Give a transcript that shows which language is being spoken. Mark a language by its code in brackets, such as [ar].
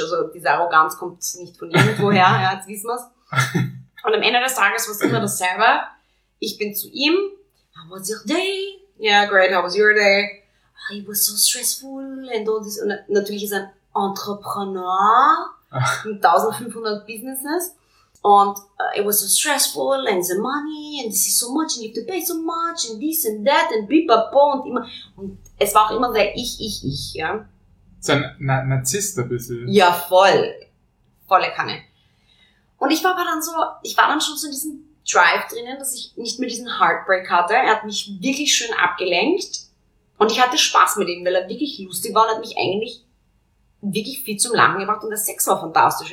[de] Also diese Arroganz kommt nicht von irgendwo her, ja, jetzt wissen wir es. Und am Ende des Tages war es immer dasselbe. Ich bin zu ihm. [en] How was your day? Yeah, great. How was your day? Oh, it was so stressful. And all this. [de] Und natürlich ist er ein Entrepreneur mit 1500 Businesses. [en] Und it was so stressful and the money and this is so much and you have to pay so much and this and that and bipapo [de] und immer. Und es war auch immer der ich, ja. So ein Narzisst ein bisschen. Ja, voll. Volle Kanne. Und ich war aber dann so, ich war dann schon so in diesem Drive drinnen, dass ich nicht mehr diesen Heartbreak hatte. Er hat mich wirklich schön abgelenkt und ich hatte Spaß mit ihm, weil er wirklich lustig war und hat mich eigentlich wirklich viel zum Lachen gebracht und der Sex war fantastisch.